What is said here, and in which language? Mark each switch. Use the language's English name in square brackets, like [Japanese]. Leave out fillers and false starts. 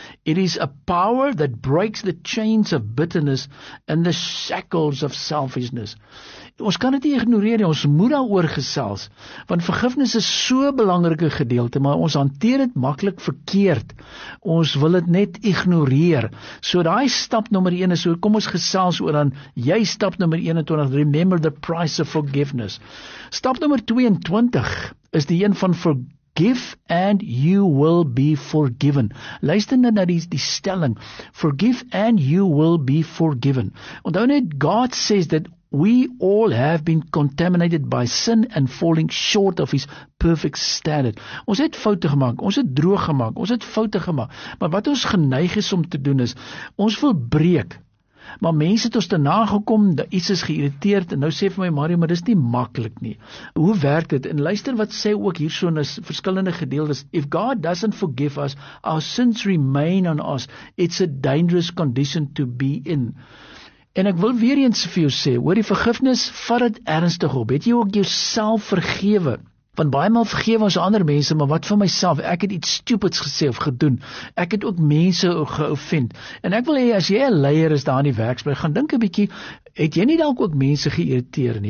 [English] It is a power that breaks the chains of bitterness and the shackles of selfishness. [Afrikaans] Ons kan dit nie ignoreer nie, ons moet daaroor gesels, want vergifnis is so 'n belangrike gedeelte, maar ons hanteer dit maklik verkeerd. Ons wil dit net ignoreer. So daai stap nommer 1 is, so kom ons gesels oor dan jy stap nommer 21, [English] remember the price of forgiveness. [Afrikaans] Stap nommer 22 is die een van [English] forgive and you will be forgiven. [Afrikaans] Luister nou na die stelling, [English] forgive and you will be forgiven. [Afrikaans] Onthou net, [English] God says that we all have been contaminated by sin and falling short of his perfect standard. [Afrikaans] Ons het foute gemaak, ons het droog gemaak, ons het foute gemaak. Maar wat ons geneig is om te doen is, ons wil breek. Maar mense het ons te nagekom, iets is geïrriteerd, en nou sê vir my, Mario, maar dis nie maklik nie. Hoe werk dit? En luister wat sê ook hierso in is verskillende gedeeltes. [English] If God doesn't forgive us, our sins remain on us. It's a dangerous condition to be in. [Afrikaans] En ek wil weer eens vir jou sê, hoor die vergifnis, vat dit ernstig op. Het jy ook jouself vergewe? Want baie maal vergewe ons ander mense, maar wat vir myself, ek het iets stupids gesê of gedoen. Ek het ook mense geoffend. En ek wil hê, as jy 'n leier is daar in die werksplek, gaan dink 'n bietjie, het jy nie dalk ook mense geïrriteer nie?